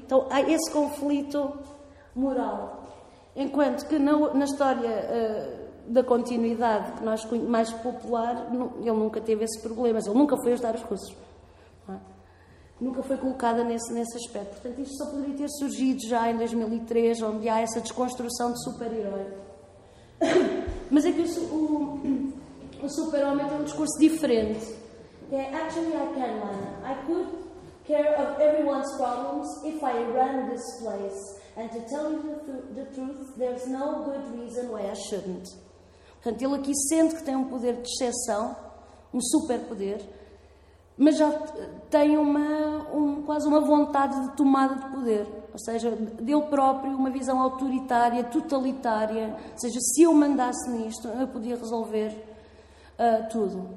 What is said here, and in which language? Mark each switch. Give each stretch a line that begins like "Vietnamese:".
Portuguese: Então, há esse conflito moral. Enquanto que na história da continuidade que nós mais popular, ele nunca teve esses problemas, ele nunca foi ajudar os russos. Não é? Nunca foi colocada nesse aspecto. Portanto, isto só poderia ter surgido já em 2003, onde há essa desconstrução de super-herói. Mas é que o super-homem tem um discurso diferente.
English: É, actually, I can, Lana. I could care of everyone's problems if I run this place. And to tell you the truth, there's no good reason why I shouldn't.
Portuguese: Portanto, ele aqui sente que tem um poder de exceção, um super-poder, mas já tem quase uma vontade de tomada de poder. Ou seja, dele próprio uma visão autoritária, totalitária. Ou seja, se eu mandasse nisto, eu podia resolver tudo.